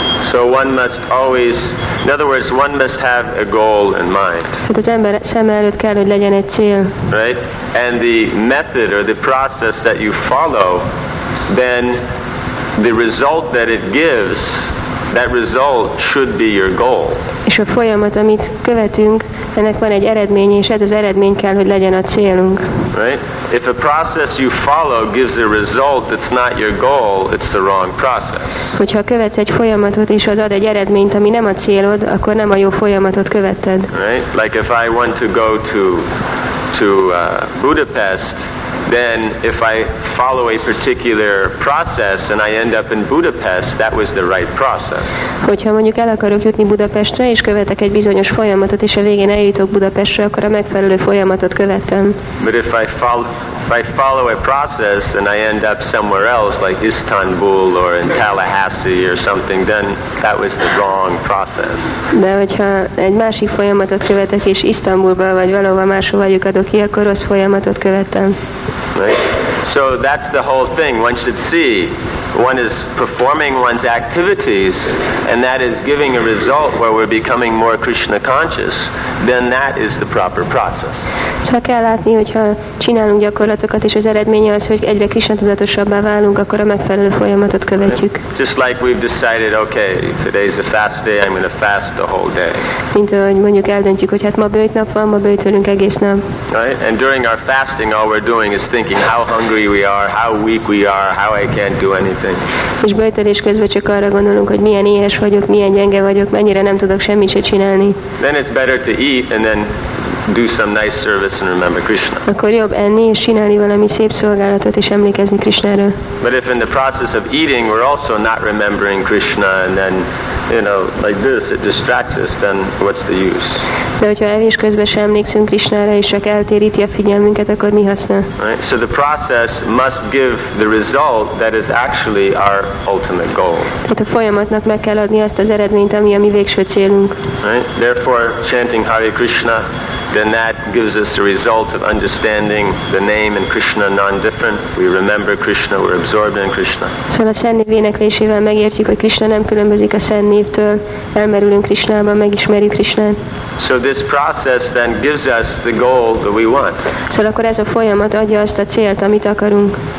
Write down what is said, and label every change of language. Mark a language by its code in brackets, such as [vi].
[en] So one must always, in other words, one must have a goal in mind. [hu] Tehát az ember szeme előtt kell, hogy legyen egy cél. [en] Right? And the method or the process that you follow, then the result that it gives, that result should be your goal. [hu] És a folyamat, amit követünk, ennek van egy eredmény, és ez az eredmény kell, hogy legyen a célunk. [en] Right? If a process you follow gives a result that's not your goal, it's the wrong process. [hu] Hogyha követsz egy folyamatot, és az ad egy eredményt, ami nem a célod, akkor nem a jó folyamatot követted. [en] Right? Like if I want to go to Budapest, then if I follow a particular process and I end up in Budapest, that was the right process. [hu] Hogyha mondjuk el akarok jutni Budapestre, és követek egy bizonyos folyamatot, és a végén eljutok Budapestre, akkor a megfelelő folyamatot követtem. [en] But if I follow, if I follow a process and I end up somewhere else, like Istanbul or in Tallahassee or something, then that was the wrong process. [hu] De hogyha egy másik folyamatot követek, és Isztambulba vagy valahova máshova jutok ki, akkor rossz folyamatot követtem. [en] Right? So that's the whole thing. One should see. One is performing one's activities, and that is giving a result where we're becoming more Krishna conscious. Then that is the proper process. [hu] Csak kell látni, hogyha csinálunk gyakorlatokat, és az eredménye az, hogy egyre Krishna tudatosabbá válunk, akkor a megfelelő folyamatot követjük. [en] Just like we've decided, okay, today's a fast day, I'm going to fast the whole day. [hu] Mint ahogy mondjuk eldöntjük, hogy hát ma böjt nap van, ma böjtölünk egész nap. [en] Right? And during our fasting, all we're doing is thinking how hungry we are, how weak we are, how I can't do anything. [hu] És böjtölés közben csak arra gondolunk, hogy milyen éhes vagyok, milyen gyenge vagyok, mennyire nem tudok semmit se csinálni. [en] Then it's better to eat and then do some nice service and remember Krishna. [hu] Akkor jobb enni és csinálni valami szép szolgálatot és emlékezni Krishnáról. [en] But if in the process of eating we're also not remembering Krishna and then, you know, like this, it distracts us, then what's the use? [hu] De hogyha evés közben sem emlékszünk Krishnára és csak eltéríti a figyelmünket, akkor mi haszna? [en] Right? So the process must give the result that is actually our ultimate goal. [hu] Hát a folyamatnak meg kell adni azt az eredményt, ami a mi végső célunk. [en] Right? Therefore, chanting Hare Krishna, then that gives us the result of understanding the name and Krishna non-different. We remember Krishna, we're absorbed in Krishna. [hu] Szóval a szent név éneklésével megértjük, hogy Krishna nem különbözik a szent névtől, elmerülünk Krishnába, megismerjük Krishnát. [en] So this process then gives us the goal that we want. [hu] Szóval akkor ez a folyamat adja azt a célt, amit akarunk.